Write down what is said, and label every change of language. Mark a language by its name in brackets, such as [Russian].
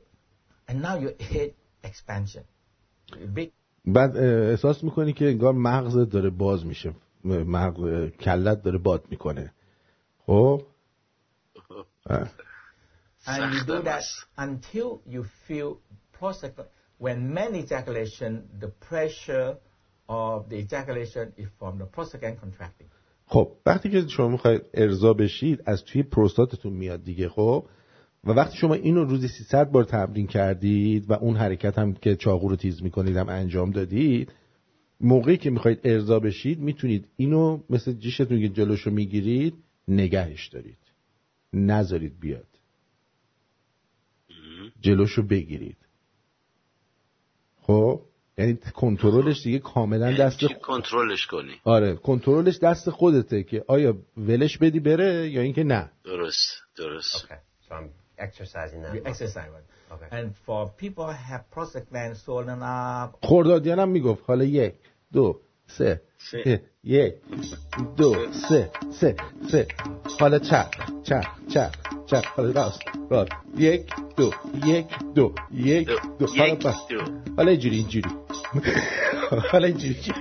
[English] Okay. So you do it, and now your head expansion. [Persian] بعد احساس میکنی که انگار مغزت داره باز میشه، مغز کلت داره باد میکنه. خب. [English] And you do that until you feel prostate. When men ejaculation, the pressure of the ejaculation is from the prostate gland contracting. [Persian] خب وقتی که شما میخواید ارضا بشید از توی پروستاتتون میاد دیگه. خب و وقتی شما اینو روزی 300 بار تمرین کردید و اون حرکت هم که چاقو رو تیز میکنید هم انجام دادید، موقعی که میخواید ارضا بشید میتونید اینو مثل جیشتون که جلوشو میگیرید نگهش دارید، نذارید بیاد. جلوشو بگیرید. خب یعنی کنترلش دیگه کاملا دست کنترلش کنی. آره کنترلش دست خودته که آیا ولش بدی بره یا اینکه نه. درست درست. [English] Okay. So I'm exercising now. Exercising. Okay. And for people have prostaglandin swollen up. [Persian] خردادیان هم میگفت حالا 1 2 3 1 2 3 4 حالا چرخ چرخ حالا راست راست 1 2 1 2 1 2 حالا پس حالا اینجوری اینجوری حالا اینجوری